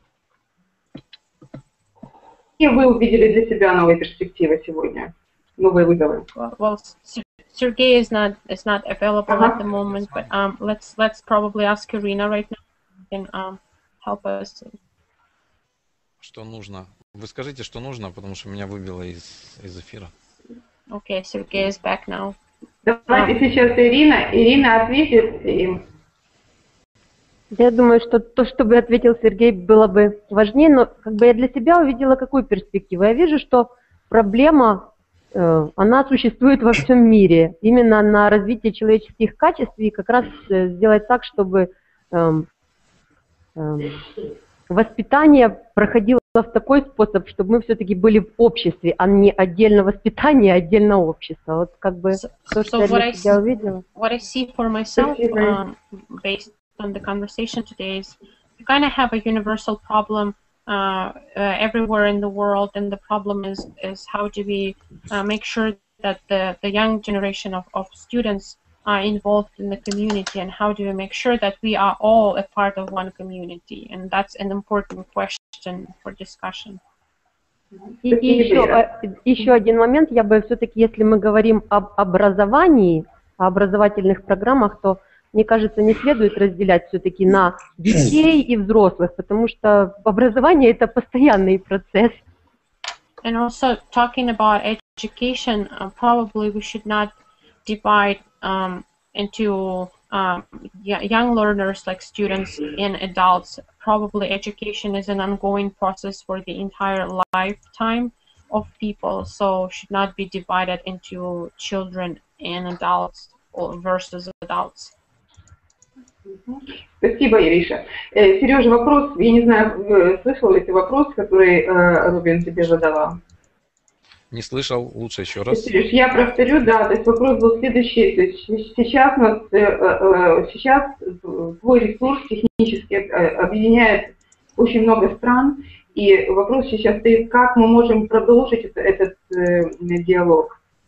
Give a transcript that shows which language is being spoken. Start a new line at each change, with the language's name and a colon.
Russian: Ирина, какие вы увидели для себя новые перспективы сегодня? Новые выговоры?
English: Well, Сергей is not available at the moment, but let's probably ask Ирина right now. Can help us.
Russian: Что нужно? Вы скажите, что нужно, потому что меня выбило из эфира.
English: Okay, Сергей is back now.
Russian: Давайте сейчас Ирина ответит им. Я думаю, что то, что бы ответил Сергей, было бы важнее, но как бы я для себя увидела какую перспективу. Я вижу, что проблема, она существует во всем мире, именно на развитие человеческих качеств, и как раз сделать так, чтобы воспитание проходило в такой способ, чтобы мы все-таки были в обществе, а не отдельно воспитание, а отдельно общество. Вот как бы то, что я для себя увидела.
English: What I see for myself, based on the conversation today is we kind of have a universal problem everywhere in the world, and the problem is how do we make sure that the young generation of students are involved in the community, and how do we make sure that we are all a part of one community, and that's an important question for discussion.
Russian: Еще один момент, я бы все-таки, если мы говорим об образовании, о образовательных программах, то мне кажется, не следует разделять все-таки на детей и взрослых, потому что образование – это постоянный процесс.
English: And also, talking about education, probably we should not divide into young learners, like students, and adults. Probably education is an ongoing process for the entire lifetime of people, so should not be divided into children and adults versus adults.
Russian: Спасибо, Ириша. Сережа, вопрос, я не знаю, слышал ли ты вопрос, который Рубин тебе задала? Не слышал, лучше еще раз. Сереж, я повторю, да, то есть вопрос был следующий. То есть сейчас твой ресурс технически объединяет очень много стран, и вопрос сейчас стоит, как мы можем продолжить этот диалог?